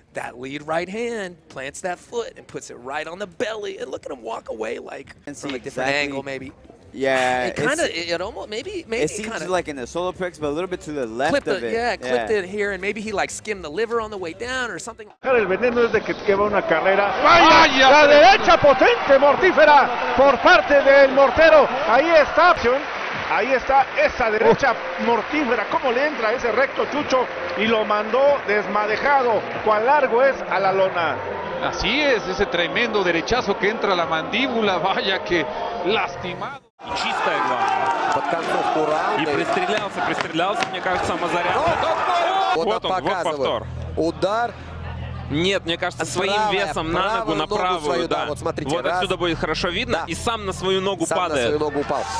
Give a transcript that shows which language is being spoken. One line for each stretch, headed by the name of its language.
English: That lead right hand plants that foot and puts it right on the belly. And look at him walk away like from a different angle, maybe. Yeah, it kind of like in the solo picks, but a little bit to the left of it. Clipped it here, and maybe he like skimmed the liver on the way down or something.
Spanish: El veneno es de que va una carrera. ¡Vaya! La derecha potente, mortífera, por parte del mortero. Ahí está, opción. Ahí está esa derecha mortífera. ¿Cómo le entra ese recto, Chucho? Y lo mandó desmadejado. ¿Cuán largo es a la lona? Así es, ese tremendo derechazo que entra a la mandíbula. Vaya que lastimado.
Russian: Чистая главная. И пристрелялся, мне кажется, самозарядка. Вот он, вот повтор. Удар. Нет, мне кажется, своим весом на ногу, на правую, да. Вот смотрите, вот отсюда будет хорошо видно. И сам на свою ногу падает. Сам на свою ногу упал.